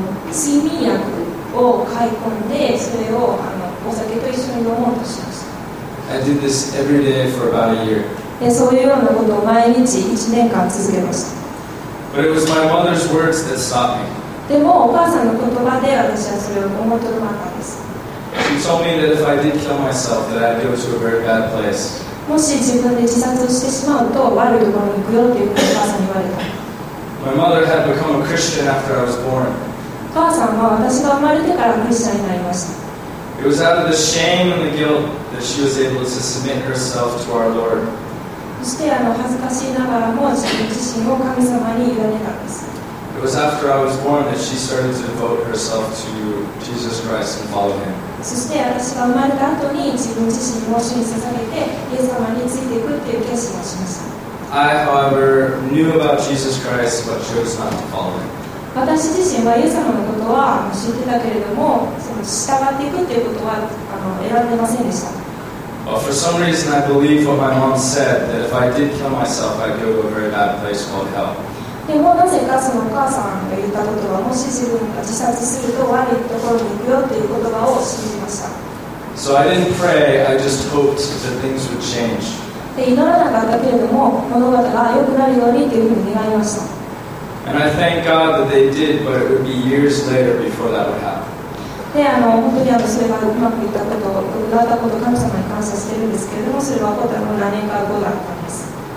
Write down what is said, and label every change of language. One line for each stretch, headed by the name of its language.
Japanese: 睡眠薬を買い込んでそれをお酒と一緒に飲もうとしました。
English: I did this every day for about a year.
Japanese: でそういうようなことを毎日1年間続けました。
English: But it was my mother's words that stopped me.
Japanese: でもお母さんの言葉で私はそれを思いとどまったんです。
English: She told me that if I did kill myself that I'd go to a very bad place.
Japanese: もし自分で自殺をしてしまうと悪いところに行くよというふうにお母さんに言われた。
English: My mother had become a Christian after I was born.
Japanese: 母さんは私が生まれてからクリスチャンになりました。
English: It was out of the shame and the guilt that she was able to submit herself to our Lord.
Japanese: そして恥ずかしいながらも自分自身を神様に委ねたんです。
English: It was after I was born that she started to devote herself to Jesus Christ and follow Him.
Japanese: そして私が生まれた後に自分自身を主に捧げてイエス様についていくという決心をしました。
English: I, however, knew about Jesus Christ, but chose not to follow Him.
Japanese: 私自身はイエス様のことは知ってたけれども、従っていくということは選んでませんでした。
English: Well, for some reason, I believe what my mom said, that if I did kill myself, I'd go to a very bad place called hell.
Japanese: でもなぜかそのお母さんが言ったことは、もし自分が自殺すると悪いところに行くよという言葉を信じました。
English: So I didn't pray, I just hoped that things would change.
Japanese: で祈らなかったけれども物語が良くなるようにというふうに願いました。
English: And I thank God that they did, but it would be years later before that would happen.
Japanese: で、本当にそれがうまくいったこと、うまくいったこと、神様に感謝してるんですけれども、それは起こったのは何年か後だったんです。